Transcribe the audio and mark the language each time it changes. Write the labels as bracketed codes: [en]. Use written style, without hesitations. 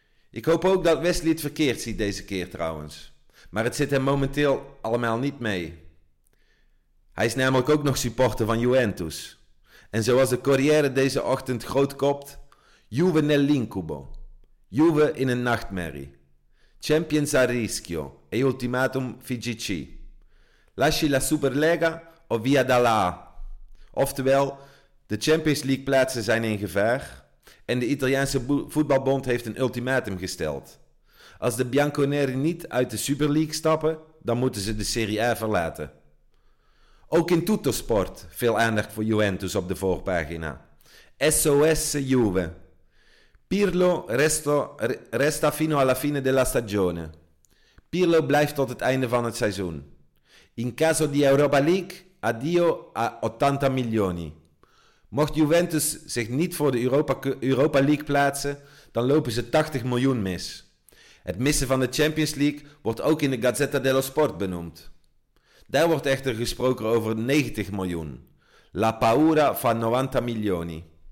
[nl] Ik hoop ook dat Wesley het verkeerd ziet deze keer trouwens. Maar het zit hem momenteel allemaal niet mee. Hij is namelijk ook nog supporter van Juventus. En zoals de Corriere deze ochtend groot kopt, [it] Juve nell'incubo. [nl] Juve in een nachtmerrie. [it] Champions a rischio e ultimatum FIGC. Lasci la Superlega o via dalla A. [nl] Oftewel, de Champions League plaatsen zijn in gevaar en de Italiaanse voetbalbond heeft een ultimatum gesteld. Als de Bianconeri niet uit de Super League stappen, dan moeten ze de Serie A verlaten. Ook in Tuttosport veel aandacht voor Juventus op de voorpagina. [it] SOS Juve. Pirlo resta fino alla fine della stagione. [nl] Pirlo blijft tot het einde van het seizoen. [it] In caso di Europa League, addio a 80 milioni. [nl] Mocht Juventus zich niet voor de Europa League plaatsen, dan lopen ze 80 miljoen mis. Het missen van de Champions League wordt ook in de Gazzetta dello Sport benoemd. Daar wordt echter gesproken over 90 miljoen. [it] La paura fa 90 milioni.